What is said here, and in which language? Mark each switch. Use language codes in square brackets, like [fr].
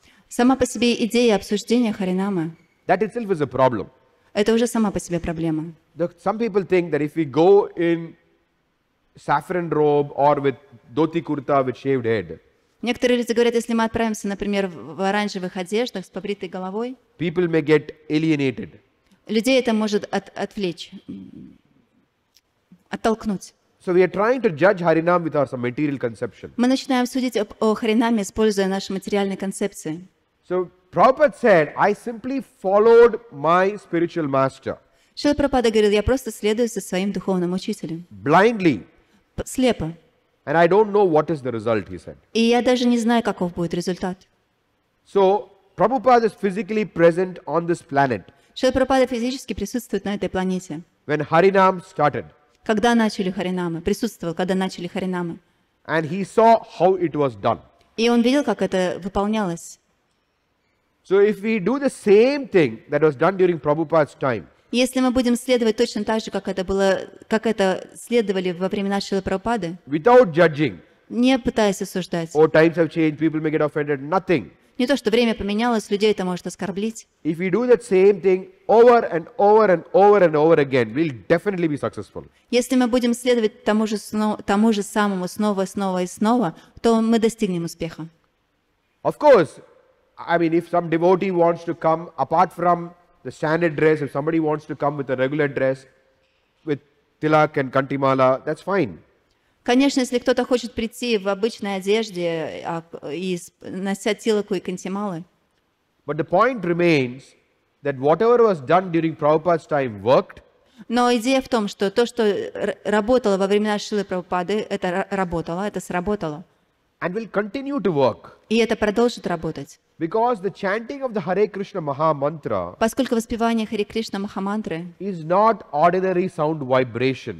[ru] Сама по себе идея обсуждения харинама. [en] That itself is a problem. [ru] Это уже сама по себе проблема. [en] Some people think that if we go in saffron robe or with dhoti kurta with shaved head. [ru] Некоторые люди говорят, если мы отправимся, например, в оранжевых одеждах с побритой головой. [en] People may get alienated. [ru] Людей это может отвлечь, оттолкнуть. [en] So we are trying to judge Harinam with our material conception. [ru] Мы начинаем судить о Харинаме, используя наши материальные концепции. [en] So Prabhupada said, I simply followed my spiritual master. [ru] Шрила Прабхупада говорил, я просто следую за своим духовным учителем. [en] Blindly. [ru] Слепо. [en] And I don't know what is the result, he said. [ru] И я даже не знаю, каков будет результат. [en] So Prabhupada is physically present on this planet. [ru] Шрила Прабхупада физически присутствует на этой планете. [en] When Harinam started. [ru] Когда начали Харинамы? Присутствовал, когда начали Харинамы. [en] And he saw how it was done. [ru] И он видел, как это выполнялось. [en] So if we do the same thing that was done during Prabhupada's time. [ru] Если мы будем следовать точно так же, как это следовали во времена Шрилы Прабхупады. [en] Without judging. [ru] Не пытаясь осуждать. [en] Oh, times have changed, people may get offended, nothing. [ru] Не то, что время поменялось, людей это может оскорблить. [en] If we do that same thing over and over and over and over again, we'll definitely be successful. [ru] Если мы будем следовать тому же самому снова, снова и снова, то мы достигнем успеха. [en] Of course, I mean, if some devotee wants to come apart from the standard dress, if somebody wants to come with a regular dress with tilak and kanti mala, that's fine. [ru] Конечно, если кто-то хочет прийти в обычной одежде и нося тилаку и кантималы. [en] But the point remains that whatever was done during Prabhupada's time worked. [ru] Но идея в том, что то, что работало во времена Шрилы Прабхупады, это работало, это сработало. [en] And will continue to work. [ru] И это продолжит работать. [en] Because the chanting of the Hare Krishna Maha Mantra. [ru] Поскольку воспевание Хари Кришна Махамантры. [en] Is not ordinary sound vibration.